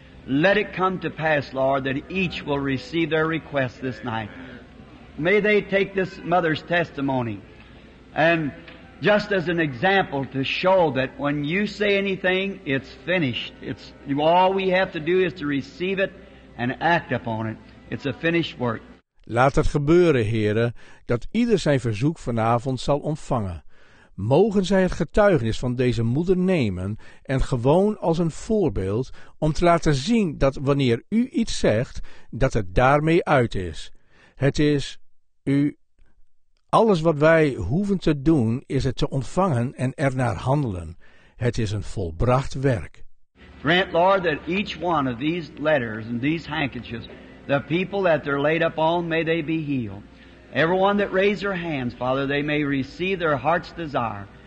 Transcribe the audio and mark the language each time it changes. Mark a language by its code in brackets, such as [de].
[en] Let it come to pass, Lord, that each will receive their request this night. May they take this mother's testimony and just as an example to show that when you say anything, it's finished. It's all we have to do is to receive it and act upon it. It's a finished work. [nl] Laat het gebeuren, Heere, dat ieder zijn verzoek vanavond zal ontvangen. Mogen zij het getuigenis van deze moeder nemen en gewoon als een voorbeeld om te laten zien dat wanneer u iets zegt, dat het daarmee uit is. Het is u, alles wat wij hoeven te doen, is het te ontvangen en ernaar handelen. Het is een volbracht werk. [en] Grant, Lord, that each one of these letters and these handkerchiefs, the people that they're laid up on, may they be healed. Everyone that raised their hands, Father, they may receive their heart's desire.